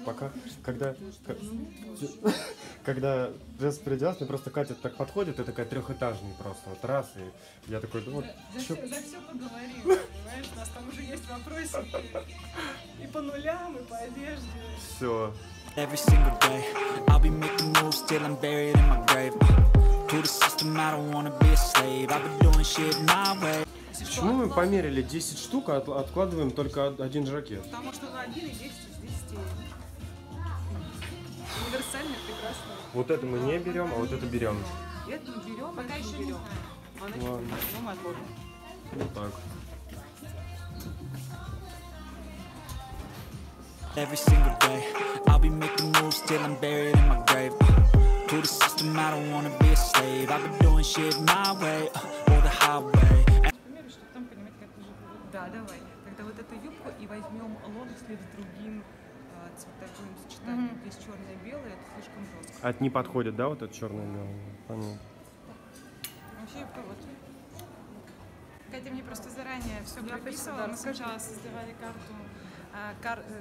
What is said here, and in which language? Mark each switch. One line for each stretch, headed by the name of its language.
Russian: Пока, когда Джесс придет, мне просто Катя так подходит, и такая трехэтажный просто, вот раз, и я такой, ну вот, чё? За все поговорим, понимаешь, у нас там уже есть вопросики и по нулям, и по одежде. Все.
English: Every single day, I'll be making moves till I'm buried in my grave. To the system, I don't wanna be a slave. I've been doing shit my way.
Russian: Почему мы померили 10 штук, а откладываем только один жакет? Потому что на один и 10 из 10. Универсальный, прекрасный. Вот это мы не берем, а вот это берем. Это мы берем, пока еще не берем. Ладно. Ну, мы отложим. Вот так.
English: Every single day, I'll be making moves till I'm buried in my grave. To the system, I don't wanna be a slave. I've been doing shit my way, or the highway.
Russian: Примеру, чтобы там понимать, как уже будет. Да, давай. Тогда вот эту юбку и возьмем лодочный с другим цветовым сочетанием. Mm-hmm. Здесь черное и белое, это слишком жестко. Это не подходит, да, вот это черное и белое? Понял. Вообще юбка вот. Катя мне просто заранее все прописывала. Мы сначала создавали карту.